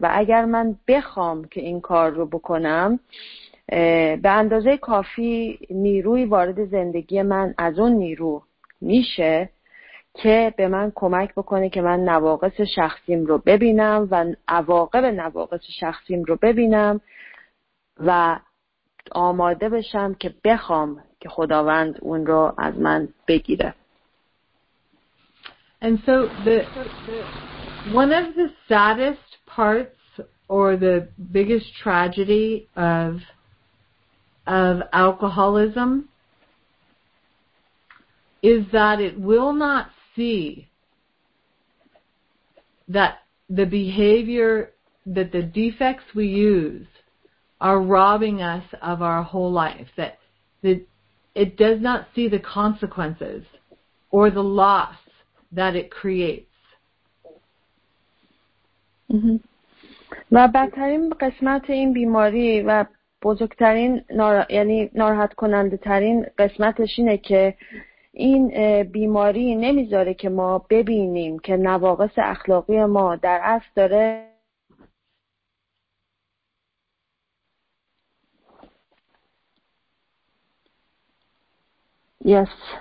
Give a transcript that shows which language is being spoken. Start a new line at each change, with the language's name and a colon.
Persian: و اگر من بخوام که این کار رو بکنم، به اندازه کافی نیروی وارد زندگی من از اون نیرو میشه که به من کمک بکنه که من نواقص شخصیم رو ببینم و عواقب نواقص شخصیم رو ببینم و آماده بشم که بخوام که خداوند اون رو از من بگیره.
English: And so one of the saddest parts or the biggest tragedy of alcoholism is that it will not see that the behavior, that the defects we use are robbing us of our whole life, that it does not see the consequences or the loss that it creates.
Persian: و بدترین قسمت این بیماری و بزرگترین یعنی ناراحت کننده ترین قسمتش اینه که این بیماری نمیذاره که ما ببینیم که نواقص اخلاقی ما در اصل داره Yes.